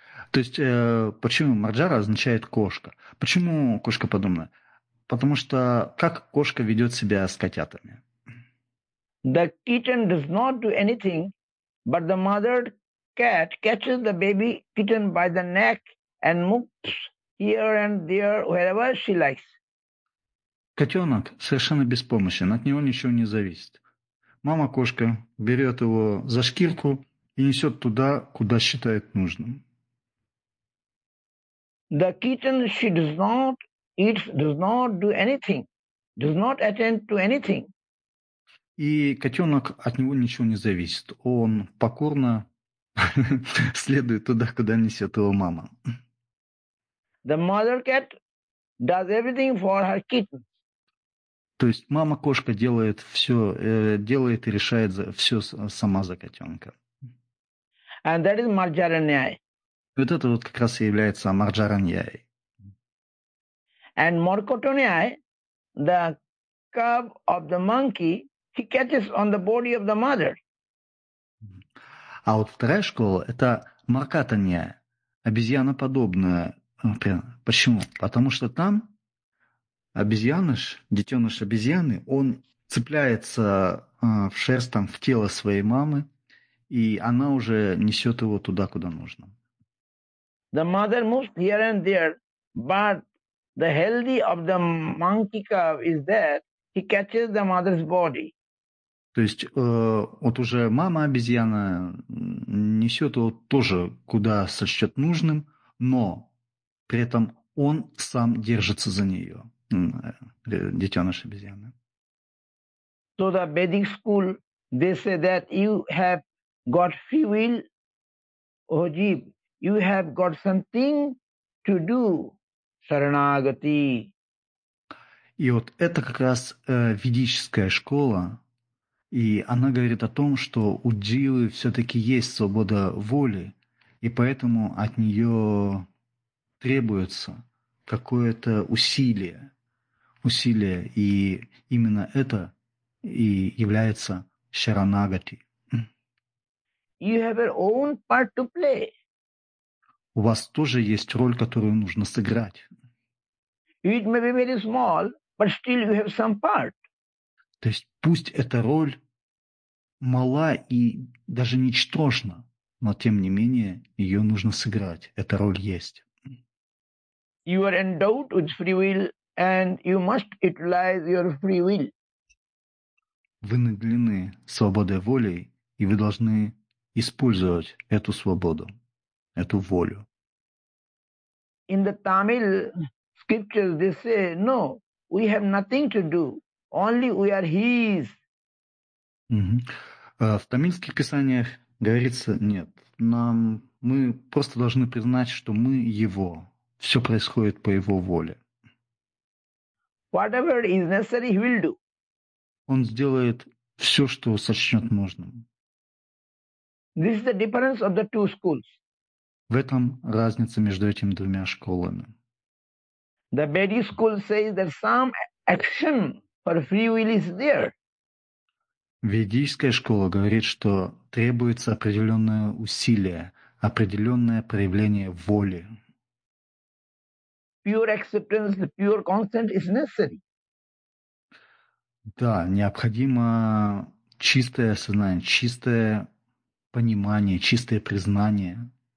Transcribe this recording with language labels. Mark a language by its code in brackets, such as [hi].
[ru] То есть почему Марджара означает кошка? Почему кошкоподобная? Потому что как кошка ведет себя с котятами? [en] The kitten does not do anything, but the mother cat catches the baby kitten by the neck and moves here and there wherever she likes. [ru] Котенок совершенно беспомощен, от него ничего не зависит. Мама кошка берет его за шкирку и несет туда, куда считает нужным. [en] The kitten, she does not eat, does not do anything, does not attend to anything. [ru] И котенок, от него ничего не зависит. Он покорно следует туда, куда несет его мама. [en] The mother cat does everything for her kitten. [ru] То есть мама-кошка делает все, делает и решает все сама за котенка. [en] And that is Marjara Nyay. [ru] Вот это вот как раз и является Марджара Ньяи. [en] And Morkoto Nyay, the cub of the monkey, he catches on the body of the mother. [ru] А вот вторая школа – это Моркота Ньяи, обезьяноподобная. Почему? Потому что там обезьяныш, детеныш обезьяны, он цепляется в шерсть, там, в тело своей мамы, и она уже несет его туда, куда нужно. [en] The mother moves here and there, but the healthy of the monkey cub is that he catches the mother's body. [ru] То есть вот уже мама обезьяна несет его тоже куда сочтет нужным, но при этом он сам держится за нее, детеныш обезьяны. [en] So the Vedic school, they say that you have got free will, Ojib. You have got something to do, Saranagati. [ru] И вот это как раз ведическая школа, и она говорит о том, что у дживы все-таки есть свобода воли, и поэтому от нее требуется какое-то усилие, усилие, и именно это и является Шаранагати. [en] You have your own part to play. [ru] У вас тоже есть роль, которую нужно сыграть. [en] It may be very small, but still you have some part. [ru] То есть пусть эта роль мала и даже ничтожна, но тем не менее ее нужно сыграть. Эта роль есть. [en] You are endowed with free will, and you must utilize your free will. [ru] Вы наделены свободой воли, и вы должны использовать эту свободу, эту волю. [en] In the Tamil scriptures, they say, no, we have nothing to do, only we are his. [ru] В тамильских писаниях говорится, нет, нам, мы просто должны признать, что мы его, все происходит по его воле. [en] Whatever is necessary, he will do. [ru] Он сделает все, что сочтет нужным. [en] This is the difference of the two schools. [ru] В этом разница между этими двумя школами. [en] The Vedic school says that some action for free will is there. [ru] Ведийская школа говорит, что требуется определенное усилие, определенное проявление воли. [en] Pure acceptance, pure consent is necessary. [ru] Да, необходимо чистое осознание, чистое понимание, чистое признание.